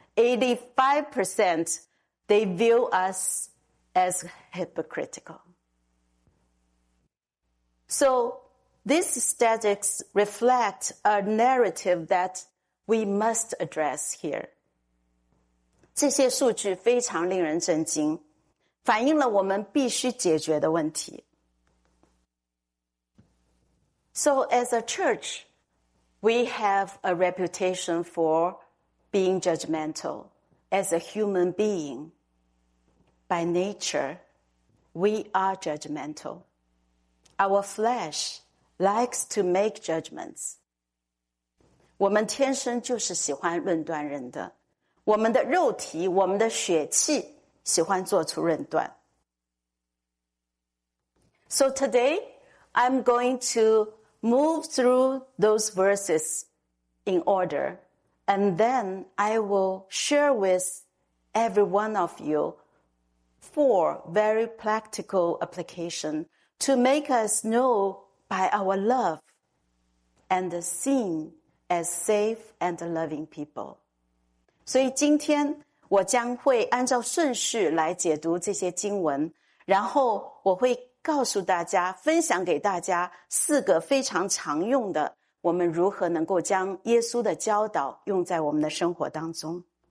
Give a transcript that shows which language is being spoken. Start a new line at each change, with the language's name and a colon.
English: 85% they view us as hypocritical. So,These statistics reflect a narrative that we must address here.
Chinese: 这些数据非常令人震惊，反映了我们必须解决的问题。
English: So as a church, we have a reputation for being judgmental. As a human being, by nature, we are judgmental. Our flesh,likes to make judgments.
Chinese: 我们天生就是喜欢论断人的。我们的肉体，我们的血气，喜欢做出论断。
English: So today, I'm going to move through those verses in order, and then I will share with every one of you four very practical applications to make us knowby our love and seen as safe and loving people.
Chinese: 所以今天我将会按照顺序来解读这些经文，然后我会告诉大家，分享给大家四个非常常用的，我们如何能够将耶稣的教导用在我们的生活当中。